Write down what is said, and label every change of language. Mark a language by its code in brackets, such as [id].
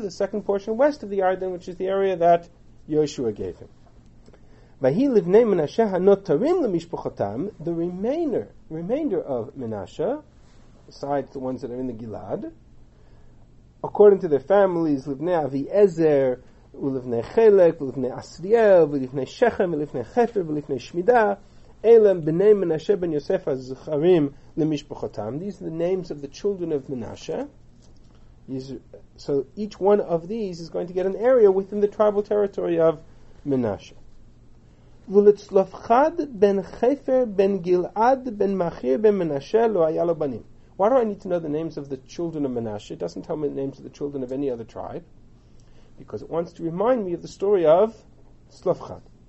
[en] The second portion west of the Yarden, which is the area that Yoshua gave him. [he] Vahi livnei Menashe ha'notarim l'mishpochotam, [en] the remainder of Menashe, besides the ones that are in the Gilad, according to their families, Livnei Avi Ezer, [he] ולבני חלק, ולבני אסריאל, ולבני שכם, ולבני חפר, ולבני שמידה. אלה בני מנשה בן יוסף הזכרים למשפחותם. [en] These are the names of the children of Menashe. So each one of these is going to get an area within the tribal territory of Menashe. [he] ולצלופחד בן חפר בן גלעד בן מחיר בן מנשה לא היה לו בנים. [en] Why do I need to know the names of the children of Menashe? It doesn't tell me the names of the children of any other tribe, because it wants to remind me of the story of Tzlofchad.